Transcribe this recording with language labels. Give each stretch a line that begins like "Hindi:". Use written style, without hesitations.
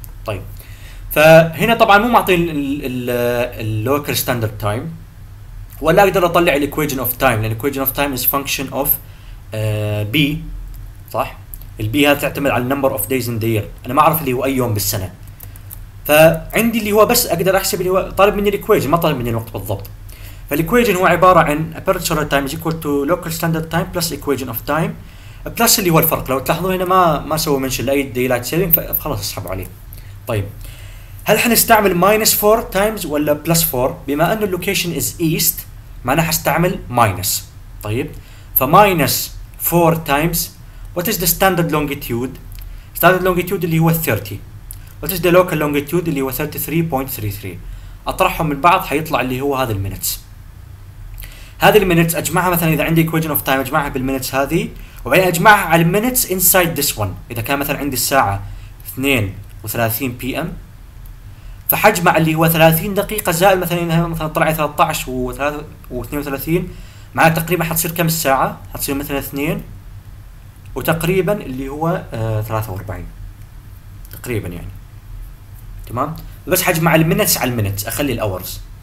Arabic: طيب فهنا طبعا مو معطي اللوكال ستاندرد تايم، ولا اقدر اطلع
English: الايكويجن of time, لان الايكويجن of time is function of B,
Arabic: صح؟ البي هذا تعتمد على
English: النمبر of days in there,
Arabic: انا ما اعرف اللي هو اي يوم بالسنه. فعندي اللي هو بس اقدر احسب اللي هو طالب مني الايكويجن، ما طالب مني الوقت بالضبط. فالإكويجن هو عبارة عن
English: apparent solar time is equal to local standard time plus equation of time plus
Arabic: اللي هو الفرق. لو تلاحظوا هنا ما سووا منشن لأي daylight saving، فخلاص اسحبوا عليه. طيب هل حنستعمل minus 4 times ولا plus 4؟ بما أن
English: location is east
Arabic: معناها حستعمل minus.
English: طيب فminus 4 times what is the standard longitude؟ standard longitude اللي هو 30. what is the local longitude
Arabic: اللي هو 33.33؟ أطرحهم من بعض حيطلع اللي هو هذا المينتس. هذه المينتس اجمعها مثلا اذا عندي equation of time اجمعها بالمينتس هذه، وبعدين اجمعها على المينتس
English: inside this one.
Arabic: اذا كان مثلا عندي الساعه 2:30 بي ام، فحجمع اللي هو 30 دقيقه زائد مثلا مثلا طلع 13 و32، معناها تقريبا حتصير كم الساعه؟ حتصير مثلا 2 وتقريبا اللي هو 43 تقريبا يعني، تمام؟ بس حجمع المينتس على المينتس، اخلي الاورز.